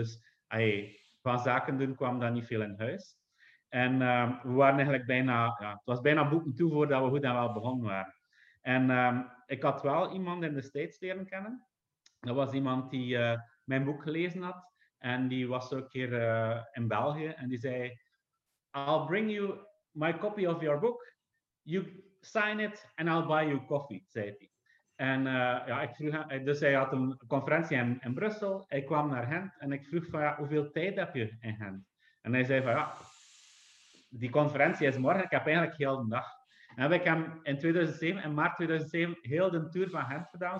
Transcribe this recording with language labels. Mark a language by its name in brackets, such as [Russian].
[Dutch] Dus van zaken doen kwam dan niet veel in huis. En we waren eigenlijk bijna, het was bijna boeken toe voordat we goed en wel begonnen waren. En ik had wel iemand in de States leren kennen. Dat was iemand die mijn boek gelezen had. En die was ook hier in België. En die zei, [English] I'll bring you my copy of your book. You sign it and I'll buy you coffee, [Dutch] zei hij. En hij had een conferentie in Brussel. Hij kwam naar Gent en ik vroeg van, hoeveel tijd heb je in Gent? En hij zei van, die conferentie is morgen. Ik heb eigenlijk heel de dag. En heb ik hem in maart 2007 heel de tour van Gent gedaan.